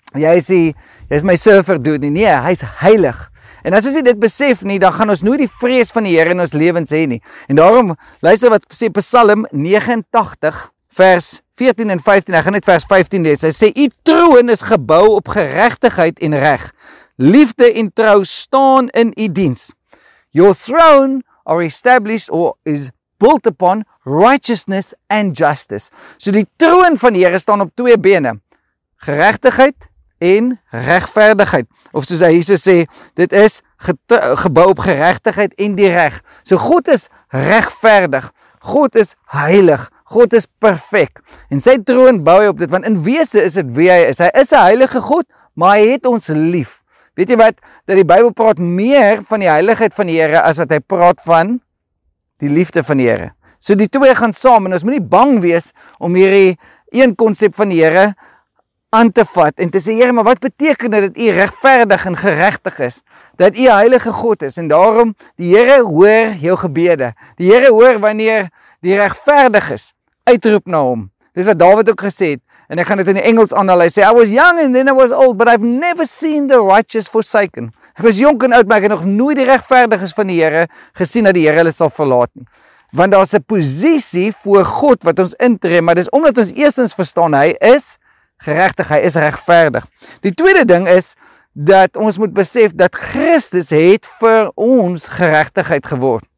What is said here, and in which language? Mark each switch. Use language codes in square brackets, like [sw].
[af] Jy is my surfer dude nie. Nee, hy is heilig. En as ons dit besef nie, dan gaan ons nooit die vrees van die Here in ons lewens hê nie. En daarom, luister wat sê Psalm 89 vers 14 en 15, ek gaan net vers 15 lees. Hy sê, u troon is gebou op geregtigheid en reg. Liefde en trou staan in u diens. [en] Your throne are established or is built upon righteousness and justice. [af] So die troon van die Here staan op twee bene. Geregtigheid en regverdigheid. Of soos hy Jesus sê, dit is gebou op geregtigheid en die reg. So God is regverdig. God is heilig. God is perfek. En sy troon bou hy op dit, want in wese is dit wie hy is. Hy is 'n heilige God, maar hy het ons lief. Weet jy wat? Dat die Bybel praat meer van die heiligheid van die Here as wat hy praat van die liefde van die Here. So die twee gaan saam en ons moet nie bang wees om hierdie een konsep van die Here aan te vat en te sê, Here, maar wat beteken dat u regverdig en geregtig is? Dat u heilige God is en daarom die Here hoor jou gebede. Die Here hoor wanneer die regverdiges uitroep na hom. Dis wat Dawid ook gesê het. En ek gaan dit in die Engels aanhaal. Hy sê, [en] I was young and then I was old, but I've never seen the righteous forsaken. [af] Ek was jonk en oud, maar ek het nog nooit die regverdiges van die Here gesien dat die Here hulle sal verlaat nie. Want daar's 'n posisie voor God wat ons intree, maar dis omdat ons eerstens verstaan hy is geregtig, hy is regverdig. Die tweede ding is dat ons moet besef dat Christus het vir ons geregtigheid geword.